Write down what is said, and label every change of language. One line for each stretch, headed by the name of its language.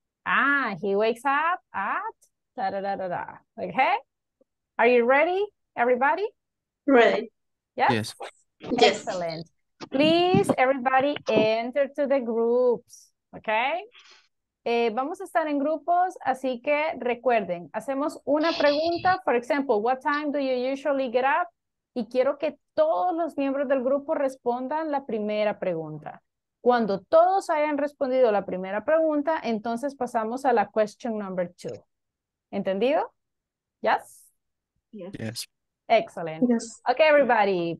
English: Ah, he wakes up at da da da da da. Okay. Are you ready, everybody? Ready. Yes? Yes. Excellent. Please, everybody, enter to the groups. Okay.
Spanish: Vamos a estar en grupos, así que recuerden, hacemos una pregunta.
English: For example, what time do you usually get up?
Spanish: Y quiero que todos los miembros del grupo respondan la primera pregunta. Cuando todos hayan respondido la primera pregunta, entonces pasamos a la question number two. ¿Entendido? Yes?
English: Yes. Excellent. Yes. Okay, everybody.